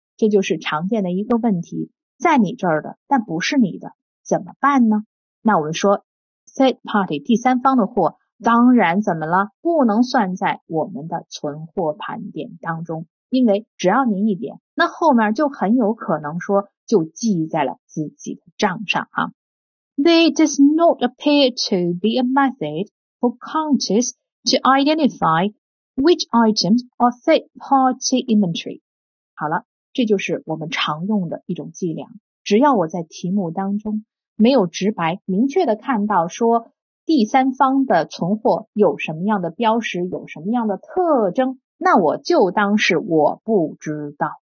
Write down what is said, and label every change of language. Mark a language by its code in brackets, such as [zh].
[zh] 这就是常见的一个问题，在你这儿的但不是你的，怎么办呢？那我们说 third party 第三方的货当然怎么了，不能算在我们的存货盘点当中，因为只要您一点，那后面就很有可能说就记在了自己的账上啊。 [en] There does not appear to be a method for counters to identify which items are third party inventory. [zh] 好了，这就是我们常用的一种伎俩。只要我在题目当中没有直白明确的看到说第三方的存货有什么样的标识，有什么样的特征，那我就当是我不知道。